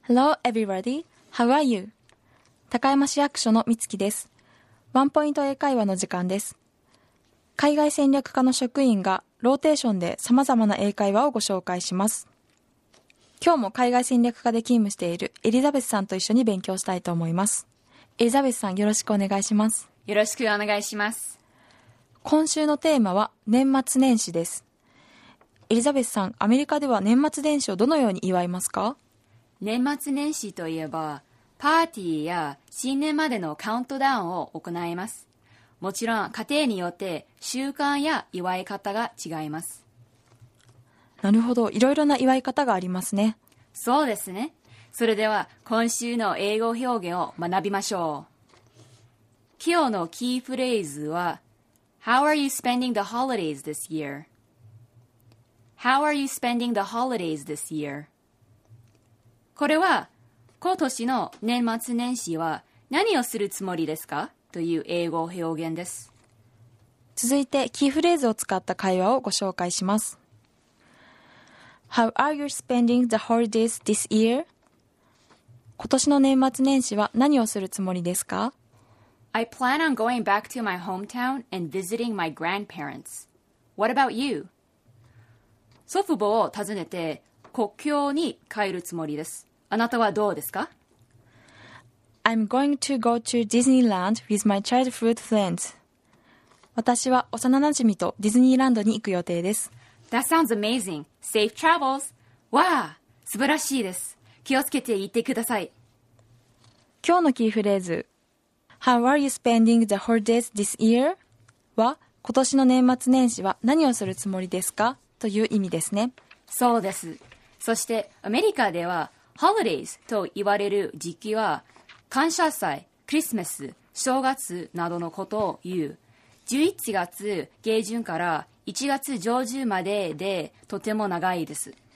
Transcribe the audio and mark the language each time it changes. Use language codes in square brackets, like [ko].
[en] Hello everybody, how are you? [ja] 高山市役所の三月です。ワンポイント英会話の時間です。海外戦略課の職員がローテーションで様々な英会話をご紹介します。今日も海外戦略課で勤務しているエリザベスさんと一緒に勉強したいと思います。エリザベスさん、よろしくお願いします。よろしくお願いします。今週のテーマは年末年始です。エリザベスさん、アメリカでは年末年始をどのように祝いますか？年末年始といえばパーティーや新年までのカウントダウンを行います。もちろん家庭によって習慣や祝い方が違います。なるほど、いろいろな祝い方がありますね。そうですね。それでは今週の英語表現を学びましょう。今日のキーフレーズは [en] How are you spending the holidays this year? How are you spending the holidays this year? [ja] これは今年の年末年始は何をするつもりですかという英語表現です。続いてキーフレーズを使った会話をご紹介します。 [en] How are you spending the holidays this year? [ja] 今年の年末年始は何をするつもりですか? [en] I plan on going back to my hometown and visiting my grandparents. What about you? [ja] 祖父母を訪ねて国境に帰るつもりです。あなたはどうですか? [en] I'm going to go to Disneyland with my childhood friends. [ja] 私は幼なじみとディズニーランドに行く予定です。 [en] That sounds amazing. Safe travels. [ja] わあ、素晴らしいです。気をつけて行ってください。今日のキーフレーズ、 [en] How are you spending the holidays this year? [ja] は、今年の年末年始は何をするつもりですか? という意味ですね。そうです。そして、アメリカでは、holidays と言われる時期は、感謝祭、クリスマス、正月などのことを言う。 11月下旬から、1月上旬まででとても長いです。